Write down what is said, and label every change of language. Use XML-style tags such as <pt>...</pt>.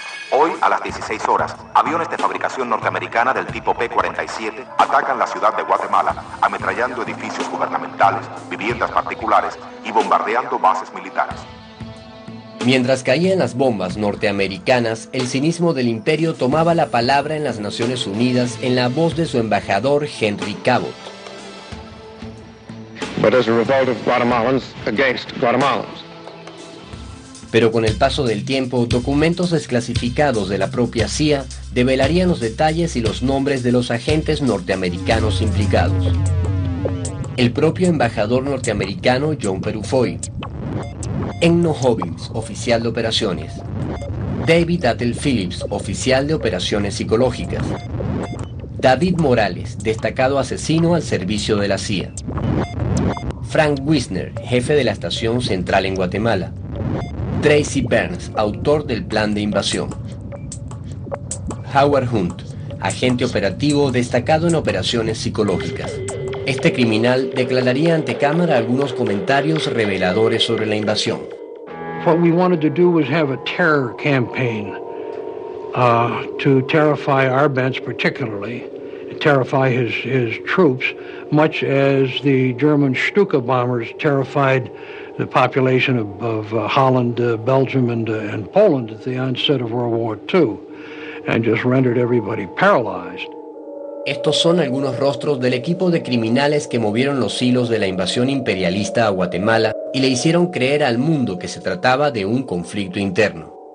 <es>Hoy, a las 16 horas, aviones de fabricación norteamericana del tipo P-47 atacan la ciudad de Guatemala, ametrallando edificios gubernamentales, viviendas particulares y bombardeando bases militares. Mientras caían las bombas norteamericanas, el cinismo del imperio tomaba la palabra en las Naciones Unidas en la voz de su embajador Henry Cabot.</es> <en>But as a revolt of Guatemalans against Guatemalans.</en> <es>Pero con el paso del tiempo, documentos desclasificados de la propia CIA develarían los detalles y los nombres de los agentes norteamericanos implicados. El propio embajador norteamericano John Perufoy, Enno Hobbins, oficial de operaciones, David Attell Phillips, oficial de operaciones psicológicas, David Morales, destacado asesino al servicio de la CIA, Frank Wisner, jefe de la estación central en Guatemala, Tracy Burns, autor del plan de invasión, Howard Hunt, agente operativo destacado en operaciones psicológicas. Este criminal declararía ante cámara algunos comentarios reveladores sobre la invasión.</es> <en>What we wanted to do was have a terror campaign to terrify Arbenz, particularly terrify his troops, much as the German Stuka bombers terrified the population of Holland, Belgium, and Poland at the onset of World War II, and just rendered everybody paralyzed.</en> <es>Estos son algunos rostros del equipo de criminales que movieron los hilos de la invasión imperialista a Guatemala y le hicieron creer al mundo que se trataba de un conflicto interno.</es>